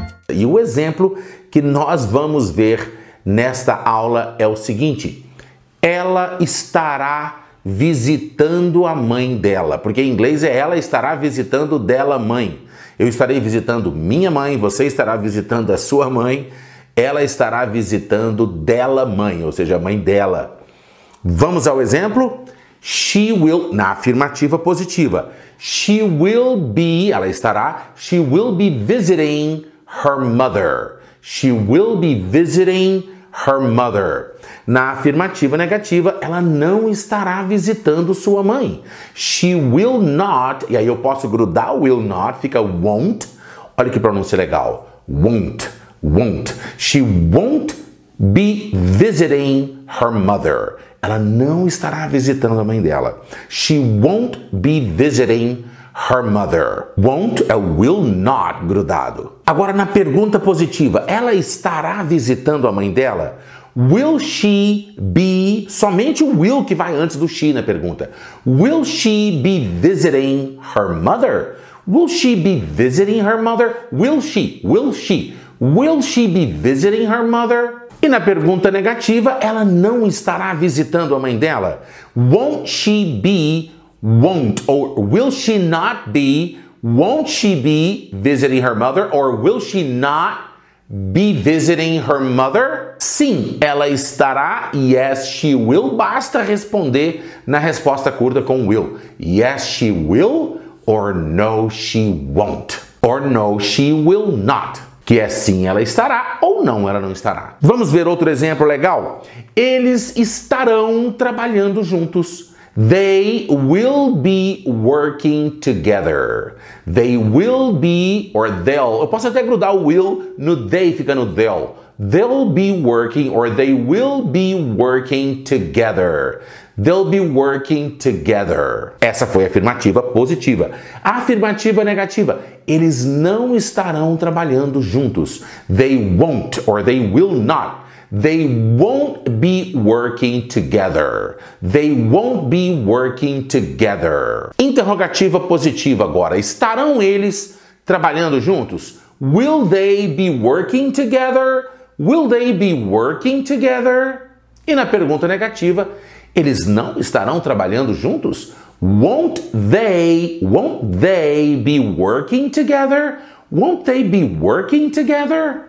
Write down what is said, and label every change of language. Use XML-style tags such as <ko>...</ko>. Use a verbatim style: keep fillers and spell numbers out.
<pt>E o exemplo que nós vamos ver nesta aula é o seguinte: ela estará visitando a mãe dela, porque em inglês é ela estará visitando dela mãe. Eu estarei visitando minha mãe, você estará visitando a sua mãe, ela estará visitando dela mãe, ou seja, a mãe dela. Vamos ao exemplo?</pt> <en>She will,</en> <pt>na afirmativa positiva.</pt> <en>She will be,</en> <pt>ela estará,</pt> <en>she will be visiting her mother. She will be visiting her mother.</en> <pt>Na afirmativa negativa, ela não estará visitando sua mãe.</pt> <en>She will not,</en> <pt>e aí eu posso grudar o will not, fica won't. Olha que pronúncia legal.</pt> <en>Won't, won't. She won't be visiting her mother.</en> <pt>Ela não estará visitando a mãe dela.</pt> <en>She won't be visiting her mother.</en> <pt>Won't é will not grudado. Agora na pergunta positiva, ela estará visitando a mãe dela?</pt> <en>Will she be,</en> <pt>somente o will que vai antes do she na pergunta.</pt> <en>Will she be visiting her mother? Will she be visiting her mother? Will she, will she, will she be visiting her mother?</en> <pt>E na pergunta negativa, ela não estará visitando a mãe dela.</pt> <en>Won't she be, won't, or will she not be, won't she be visiting her mother, or will she not be visiting her mother?</en> <pt>Sim, ela estará,</pt> <en>yes, she will.</en> <pt>Basta responder na resposta curta com will.</pt> <en>Yes, she will, or no, she won't. Or no, she will not.</en> <pt>Que é sim, ela estará, ou não, ela não estará. Vamos ver outro exemplo legal? Eles estarão trabalhando juntos.</pt> <en>They will be working together. They will be, or they'll.</en> <pt>Eu posso até grudar o will no they, fica no they'll.</pt> <en>They'll be working, or they will be working together. They'll be working together.</en> <pt>Essa foi a afirmativa positiva. A afirmativa negativa. Eles não estarão trabalhando juntos.</pt> <en>They won't, or they will not. They won't be working together. They won't be working together.</en> <pt>Interrogativa positiva agora. Estarão eles trabalhando juntos?</pt> <en>Will they be working together? Will they be working together?</en> <pt>E na pergunta negativa, eles não estarão trabalhando juntos?</pt> <en>Won't they, won't they be working together? Won't they be working together?</en>